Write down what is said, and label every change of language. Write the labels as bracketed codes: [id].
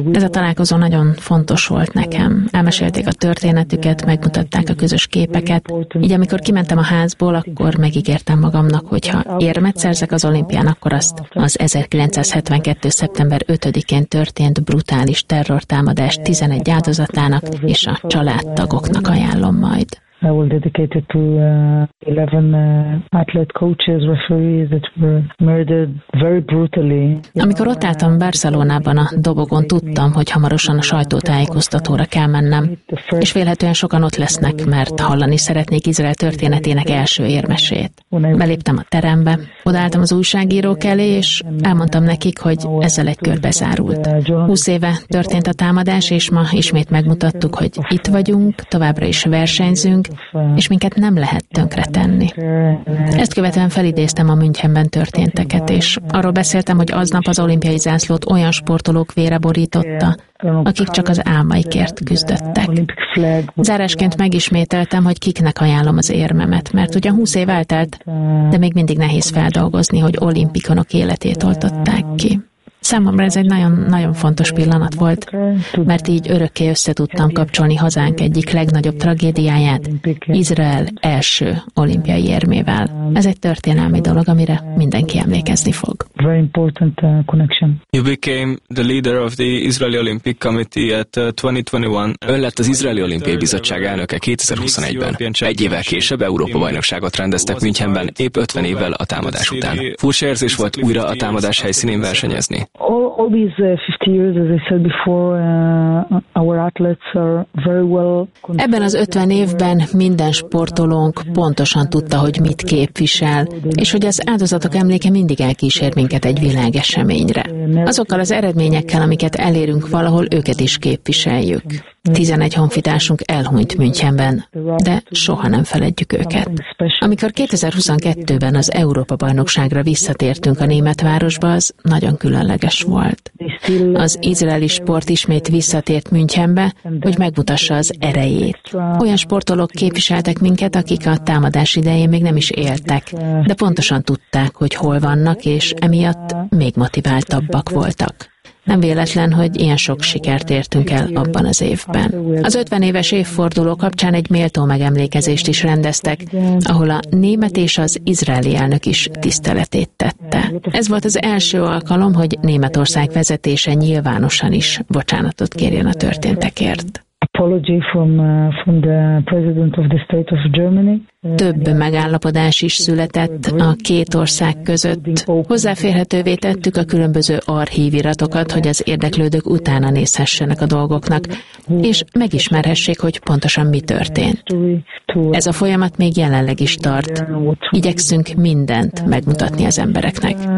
[hu] Ez a találkozó nagyon fontos volt nekem. Elmesélték a történetüket, megmutatták a közös képeket. Így amikor kimentem a házból, akkor megígértem magamnak, hogyha érmet szerzek az olimpián, akkor azt az 1972. szeptember 5-én történt brutális terrortámadás 11 áldozatának és a családtagoknak ajánlom majd. [en] I will dedicate it to 11 athlete coaches, referees that were murdered very brutally. [hu] Amikor ott álltam Barcelonában a dobogon, tudtam, hogy hamarosan a sajtótájékoztatóra kell mennem, és vélhetően sokan ott lesznek, mert hallani szeretnék Izrael történetének első érmesét. Beléptem a terembe, odaálltam az újságírók elé, és elmondtam nekik, hogy ezzel egy kör bezárult. 20 éve történt a támadás, és ma ismét megmutattuk, hogy itt vagyunk, továbbra is versenyzünk, és minket nem lehet tönkretenni. Ezt követően felidéztem a Münchenben történteket, és arról beszéltem, hogy aznap az olimpiai zászlót olyan sportolók vére borította, akik csak az álmaikért küzdöttek. Zárásként megismételtem, hogy kiknek ajánlom az érmemet, mert ugye 20 év eltelt, de még mindig nehéz feldolgozni, hogy olimpikonok életét oltották ki. Számomra ez egy nagyon-nagyon fontos pillanat volt, mert így örökké összetudtam kapcsolni hazánk egyik legnagyobb tragédiáját, Izrael első olimpiai érmével. Ez egy történelmi dolog, amire mindenki emlékezni fog. [en] Very important connection. You became the leader of the Israeli Olympic Committee at 2021. [hu] Ön lett az Izraeli Olimpiai Bizottság elnöke 2021-ben. Egy évvel később Európa-bajnokságot rendeztek Münchenben, épp 50 évvel a támadás után. Furcsa érzés volt újra a támadás helyszínén versenyezni. [en] All these 50 years, as I said before, our athletes are very well. [hu] Ebben az 50 évben minden sportolónk pontosan tudta, hogy mit képvisel, és hogy az áldozatok emléke mindig elkísér minket egy világeseményre. Azokkal az eredményekkel, amiket elérünk valahol, őket is képviseljük. 11 honfitársunk elhunyt Münchenben, de soha nem feledjük őket. Amikor 2022-ben az Európa-bajnokságra visszatértünk a német városba, az nagyon különleges volt. Az izraeli sport ismét visszatért Münchenbe, hogy megmutassa az erejét. Olyan sportolók képviseltek minket, akik a támadás idején még nem is éltek, de pontosan tudták, hogy hol vannak, és emiatt még motiváltabbak voltak. Nem véletlen, hogy ilyen sok sikert értünk el abban az évben. Az 50 éves évforduló kapcsán egy méltó megemlékezést is rendeztek, ahol a német és az izraeli elnök is tiszteletét tette. Ez volt az első alkalom, hogy Németország vezetése nyilvánosan is bocsánatot kérjen a történtekért. [en] Apology from the president of the state of Germany. [hu] Több megállapodás is született a két ország között. Hozzáférhetővé tettük a különböző archíviratokat, hogy az érdeklődők utána nézhessenek a dolgoknak, és megismerhessék, hogy pontosan mi történt. Ez a folyamat még jelenleg is tart. Igyekszünk mindent megmutatni az embereknek.